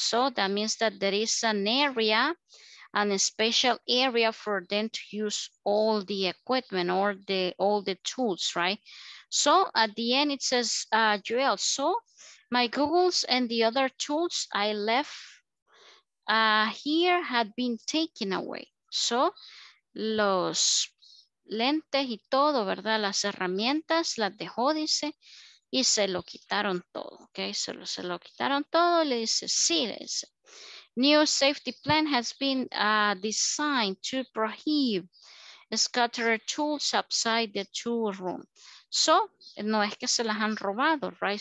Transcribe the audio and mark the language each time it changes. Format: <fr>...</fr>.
<en>So that means that there is an area, an special area for them to use all the equipment or all the tools, right? So at the end it says, Joel, so my Googles and the other tools I left here had been taken away.</en> <es>So los lentes y todo, ¿verdad? Las herramientas las dejó, dice, y se lo quitaron todo, ¿ok? Se lo quitaron todo, le dice, sí, le dice.</es> <en>New safety plan has been designed to prohibit scattered tools outside the tool room.</en> <es>So, no es que se las han robado, right?</es>